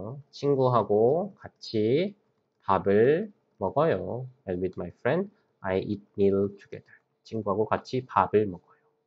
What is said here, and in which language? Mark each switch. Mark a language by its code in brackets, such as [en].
[ko] 친구하고 같이 밥을 먹어요. [en] And with my friend, I eat meal together. [ko] 친구하고 같이 밥을 먹어요.